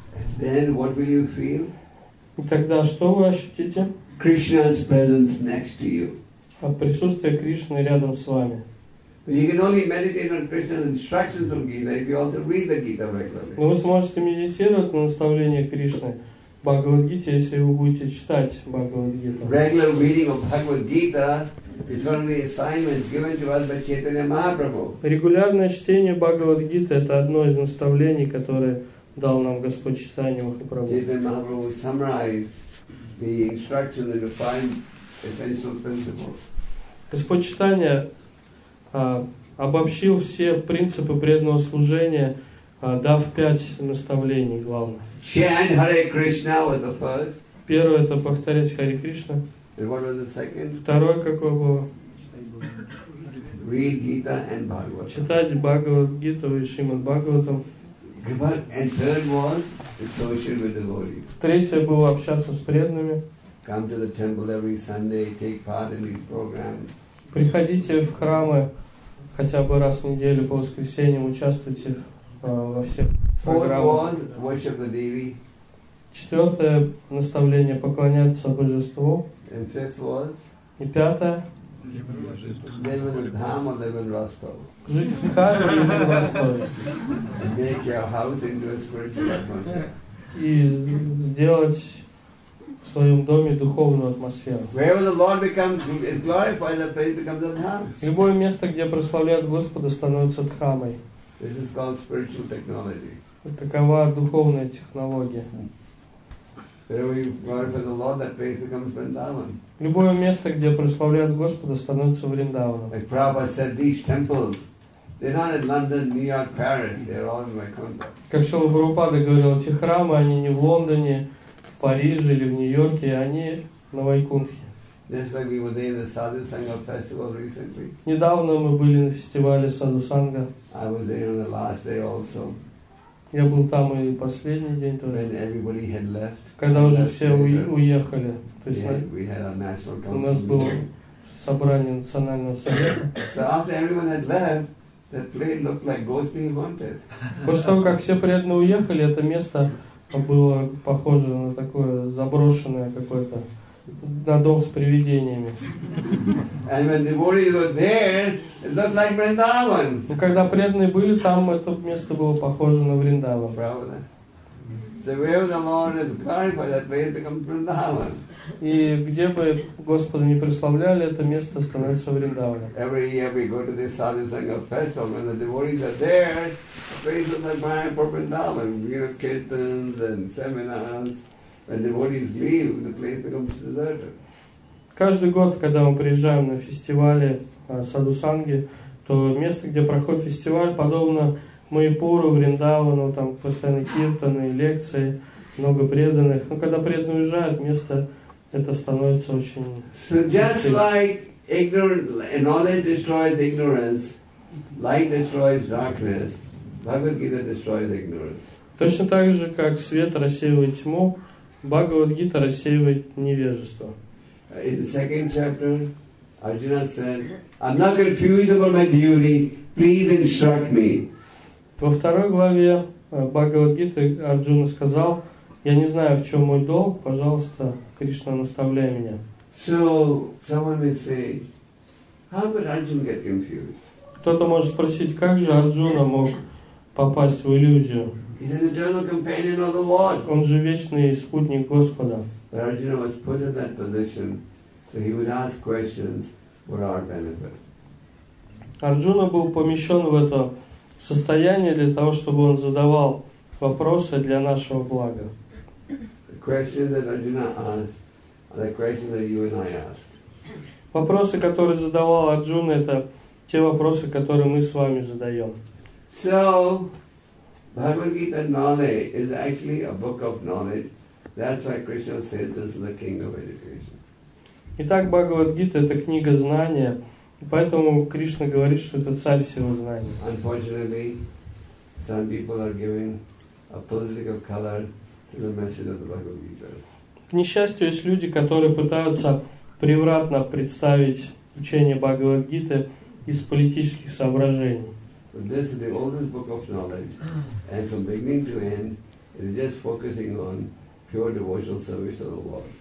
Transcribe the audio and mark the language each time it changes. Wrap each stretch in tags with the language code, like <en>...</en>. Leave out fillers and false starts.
<en>And then what will you feel?</en> <ru>И тогда что вы ощутите?</ru> <en>Krishna's presence next to you.</en> <ru>А присутствие Кришны рядом с вами.</ru> <en>You can only meditate on Krishna's instructions from Gita if you also read the Gita regularly.</en> <ru>Но вы сможете медитировать на наставление Кришны в Бхагавад-гите, если вы будете читать Бхагавад-гиту.</ru> <en>Regular reading of Bhagavad-gita is one of the assignments given to us by Chaitanya Mahaprabhu.</en> <ru>Регулярное чтение Бхагавад-гиты — это одно из наставлений, которое дал нам Господь Чайтанья Махапрабху.</ru> <en>Chaitanya Mahaprabhu summarized the instructions and defined essential principles.</en> <ru>Господь Чайтанья обобщил все принципы преданного служения, дав пять наставлений главных.</ru> <en>Chant Hare Krishna was the first.</en> <ru>Первое — это повторять Хари Кришна.</ru> <en>And what was the second?</en> <ru>Второе какое было?</ru> <en>Read Gita and Bhagavatam.</en> <ru>Читать Бхагавад-гиту и Шримад Бхагаватам.</ru> <en>And third was associate with devotees.</en> <ru>Третье было общаться с преданными.</ru> <en>Come to the temple every Sunday, take part in these programs.</en> <ru>Приходите в храмы хотя бы раз в неделю по воскресеньям, участвуйте во всех программах.</ru> <en>Fourth one, worship the Devi.</en> <ru>Четвертое наставление – поклоняться Божеству.</ru> <en>And fifth was?</en> <ru>И пятое</ru> <en>– live in the Dhamma, live in Rostov.</en> <ru>Жить в Дхарме,</ru> <en>live in Rostov. Make your house into a spiritual atmosphere.</en> <ru>И сделать в своем доме духовную атмосферу.</ru> <en>Wherever the Lord becomes glorified, the place becomes a dhamma.</en> <ru>Любое место, где прославляют Господа, становится дхамой.</ru> <en>This is called spiritual technology.</en> <ru>Такова духовная технология.</ru> <en>Wherever you glorify the Lord, that place becomes Vrindavan.</en> <ru>Любое место, где прославляют Господа, становится Вриндаваном.</ru> <en>Like Prabhupada said, these temples, they're not in London, New York, Paris. They're all in Vaikuntha.</en> <ru>Как Шрила Прабхупада говорил, эти храмы, они не в Лондоне, в Париже или в Нью-Йорке, они на Вайкунхе. Недавно мы были на фестивале Садусанга.</ru> <en>I was there on the last day also.</en> <ru>Я был там и последний день тоже.</ru> <en>When everybody had left,</en> <ru>когда уже все уехали.</ru> <en>We had</en> <ru>у нас было собрание национального совета.</ru> <en>So after everyone had left, that place looked like ghost being haunted.</en> <ru>После того, как все преданные уехали, это место было похоже на такое заброшенное какое-то, на дом с привидениями.</ru> <en>And when the devotees were there, it looked like Vrindavan.</en> <ru>Но когда преданные были там, это место было похоже на Вриндаван. Правда.</ru> <en>So wherever the Lord is glorified, that place becomes Vrindavan.</en> <ru>И где бы Господа не прославляли, это место становится Вриндаваном.</ru> <en>Every year we go to this Sadhu Sangha festival, when the devotees are there, the place is like Mayapur for Vrindavan. We have kirtans and seminars. When devotees leave, the place becomes deserted.</en> <ru>Каждый год, когда мы приезжаем на фестивали Sadhu Sangha, то место, где проходит фестиваль, подобно Майпуру, Вриндавану, там постоянно киртаны, лекции, много преданных. Но когда преданные уезжают, место это становится очень.</ru> <en>So just like ignorance, knowledge destroys ignorance, light destroys darkness, Bhagavad Gita destroys ignorance.</en> <ru>Точно так же, как свет рассеивает тьму, Бхагавад Гита рассеивает невежество.</ru> <en>In the second chapter, Arjuna said, I'm not confused about my duty, please instruct me.</en> <ru>Во второй главе Бхагавад Гиты Арджуна сказал, я не знаю, в чем мой долг, пожалуйста, Кришна, наставляй меня.</ru> <en>So someone may say, how could Arjuna get confused?</en> <ru>Кто-то может спросить, как же Арджуна мог попасть в иллюзию.</ru> <en>He's an eternal companion of the Lord.</en> <ru>Он же вечный спутник Господа.</ru> <en>But Arjuna was put in that position so he would ask questions for our benefit.</en> <ru>Арджуна был помещен в это состояние для того, чтобы он задавал вопросы для нашего блага.</ru> <en>The question that Arjuna asked are the questions that you and I asked.</en> <ru>Вопросы, которые задавал Арджуна, это те вопросы, которые мы с вами задаем.</ru> <en>So, Bhagavad Gita knowledge is actually a book of knowledge. That's why Krishna said this is the king of education.</en> <ru>Итак, Бхагавад Гита это книга знания, поэтому Кришна говорит, что это царь всего знания.</ru> <en>Unfortunately, some people are giving a political color to the message of the Bhagavad Gita.</en> <ru>К несчастью, есть люди, которые пытаются превратно представить учение Бхагавад Гиты из политических соображений.</ru> <en>But this is the oldest book of knowledge, and from beginning to end, it is just focusing on pure devotional service to the Lord.</en>